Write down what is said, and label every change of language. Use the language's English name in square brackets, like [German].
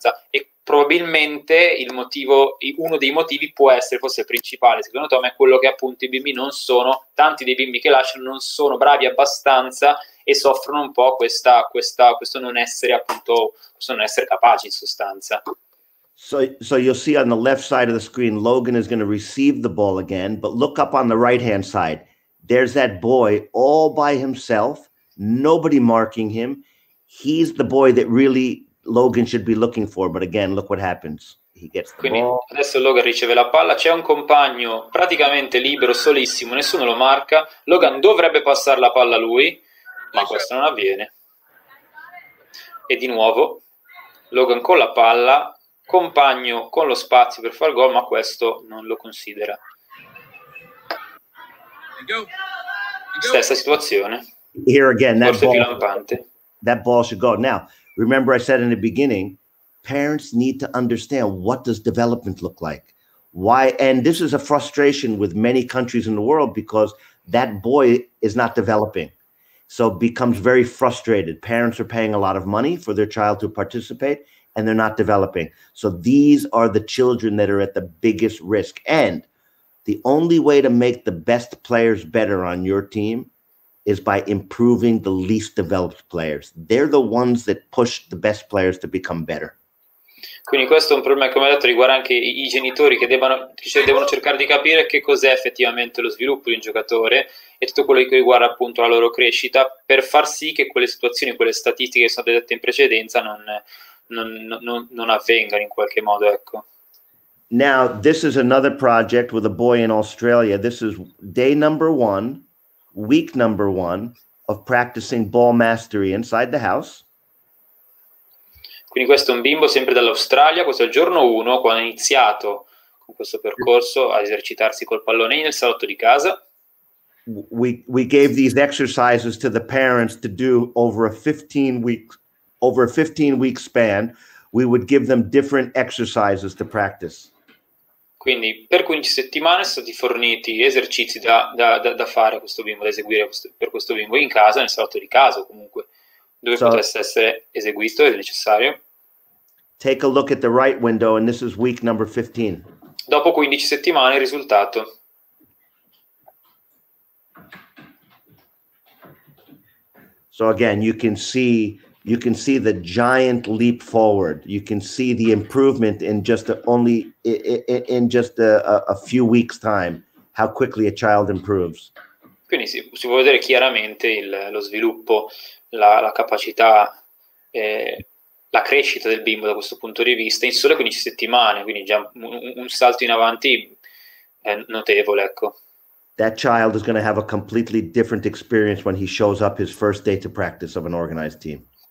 [Italian] e probabilmente uno dei motivi può essere, forse il principale, secondo Tom, è quello che appunto i bimbi non sono, tanti dei bimbi che lasciano non sono bravi abbastanza e soffrono un po' questo non essere appunto, questo non essere capaci in sostanza. [English] So you'll see on the left side of the screen, Logan is going to receive the ball again, but look up on the right hand side, there's that boy all by himself, nobody marking him. He's the boy that really Logan should be looking for, but again, look what happens. He gets the [Italian] Quindi [English] ball. [Italian] Adesso Logan riceve la palla, c'è un compagno praticamente libero, solissimo, nessuno lo marca. Logan dovrebbe passare la palla a lui, ma questo non avviene. E di nuovo, Logan con la palla, compagno con lo spazio per far gol, ma questo non lo considera. [English] You go. [Italian] Stessa situazione. [English] Here again, that [Italian] forse [English] ball. [Italian] Più lampante. [English] That ball should go. Now, remember I said in the beginning, parents need to understand what does development look like? Why? And this is a frustration with many countries in the world because that boy is not developing. So it becomes very frustrated. Parents are paying a lot of money for their child to participate and they're not developing. So these are the children that are at the biggest risk. And the only way to make the best players better on your team is by improving the least developed players. They're the ones that push the best players to become better. [Italian] Quindi questo è un problema, come ho detto, riguarda anche i genitori che devono cercare di capire che cos'è effettivamente lo sviluppo di un giocatore e tutto quello che riguarda appunto la loro crescita per far sì che quelle situazioni, quelle statistiche che sono state dette in precedenza non avvengano in qualche modo, ecco. [English] Now, this is another project with a boy in Australia. This is day number one. Week number one of practicing ball mastery inside the house. [Italian] Quindi questo è un bimbo sempre dall'Australia, questo è il giorno uno quando ha iniziato con questo percorso a esercitarsi col pallone nel salotto di casa. [English] we gave these exercises to the parents to do over a 15-week span. We would give them different exercises to practice. [Italian] Quindi per 15 settimane sono stati forniti esercizi da fare questo bimbo, da eseguire per questo bimbo in casa, nel salotto di casa comunque, dove so, potesse essere eseguito se necessario. [English] Take a look at the right window, and this is week number 15. [Italian] Dopo 15 settimane il risultato. [English] So again, you can see the giant leap forward. You can see the improvement in just a few weeks' time, how quickly a child improves. [Italian] Quindi si può vedere chiaramente lo sviluppo, la capacità, la crescita del bimbo da questo punto di vista in sole 15 settimane, quindi già un salto in avanti notevole, ecco. [English] That child is going to have a completely different experience when he shows up his first day to practice of an organized team.